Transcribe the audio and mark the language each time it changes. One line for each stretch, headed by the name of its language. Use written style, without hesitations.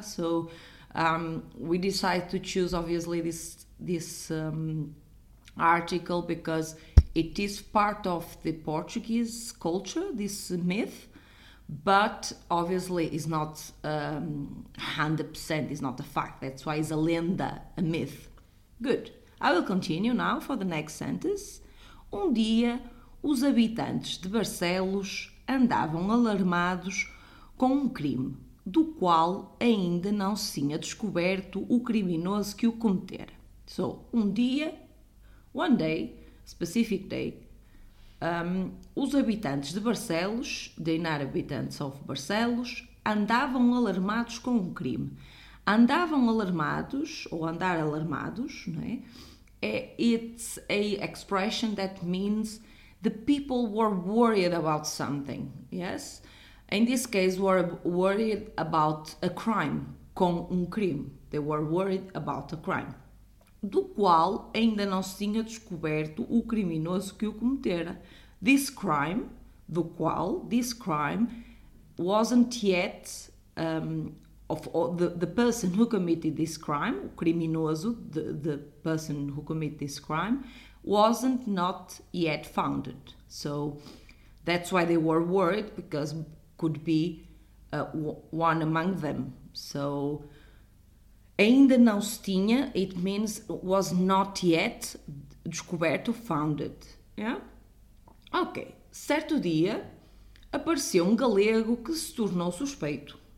English: So we decided to choose, obviously, this article because it is part of the Portuguese culture, this myth, but obviously is not 100%, is not a fact. That's why it's a lenda, a myth. Good. I will continue now for the next sentence.
Portuguese: Um dia, os habitantes de Barcelos andavam alarmados com um crime, do qual ainda não se tinha descoberto o criminoso que o cometera. So, um dia,
English: one day, specific day,
Portuguese: os habitantes de Barcelos,
English: the inhabitants of Barcelos,
Portuguese: andavam alarmados com um crime. Andavam alarmados, ou andar alarmados, né?
English: It's a expression that means the people were worried about something, yes? In this case, were worried about a crime,
Portuguese: com um crime.
English: They were worried about a crime.
Portuguese: Do qual ainda não se tinha descoberto o criminoso que o cometera.
English: This crime,
Portuguese: do qual,
English: this crime, wasn't yet, the person who committed this crime,
Portuguese: o criminoso,
English: the person who committed this crime, wasn't not yet founded. So that's why they were worried, because could be one among them. So
Portuguese: ainda não se tinha,
English: it means was not yet
Portuguese: descoberto,
English: founded. Yeah? Ok.
Portuguese: Certo dia, apareceu um galego que se tornou suspeito.